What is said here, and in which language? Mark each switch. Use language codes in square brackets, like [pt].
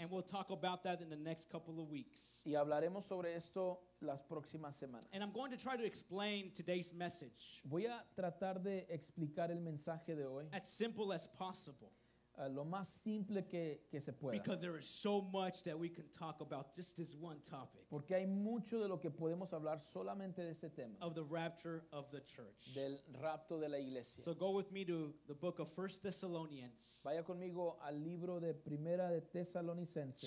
[en] And we'll talk about that in the next couple of weeks. [es] Y hablaremos sobre esto las próximas semanas. [en] And I'm going to try to explain today's message. [es] Voy a tratar de explicar el mensaje de hoy. [en] As simple as possible. [es] Lo más simple que se pueda. [en] Because there is so much that we can talk about just this one topic. [es] Porque hay mucho de lo que podemos hablar solamente de este tema. [en] Of the rapture of the church. [es] Del rapto de la iglesia. [en] So go with me to the book of 1 Thessalonians. [es] Vaya conmigo al libro de Primera de Tesalonicenses.